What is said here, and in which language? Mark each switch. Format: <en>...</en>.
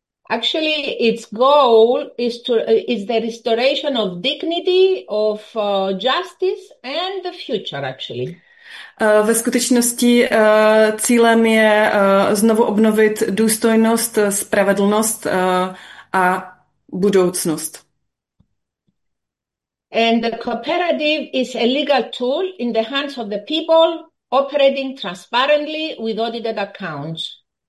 <en>Actually, its goal is the restoration of dignity, of justice and the future, actually.</en> <cs>Ve skutečnosti cílem je znovu obnovit důstojnost, spravedlnost a budoucnost.</cs> <en>And the cooperative is a legal tool in the hands of the people, operating transparently with audited accounts.</en>